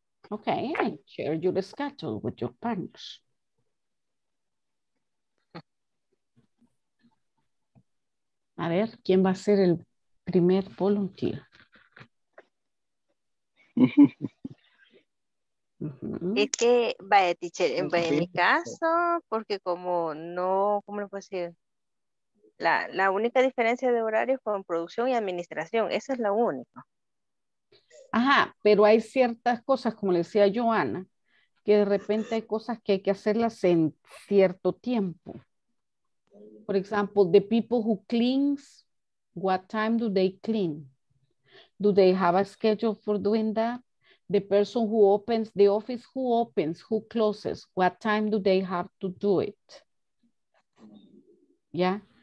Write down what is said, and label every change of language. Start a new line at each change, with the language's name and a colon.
English: Okay, I share your schedule with your partners.
Spanish: A ver, ¿quién va a ser el primer volunteer? Uh-huh. Es que, vaya, teacher, en sí. Mi caso, porque como no, ¿cómo lo puedo decir? La única diferencia de horario es con producción y administración, esa es la única. Ajá, pero hay ciertas cosas, como le decía Joana, que de repente hay cosas que hay que hacerlas en cierto tiempo.
English: For example, the people who cleans, what time do they clean? Do they have a schedule for doing that? The person who opens the office, who opens, who closes? What time do they have to do it? Yeah.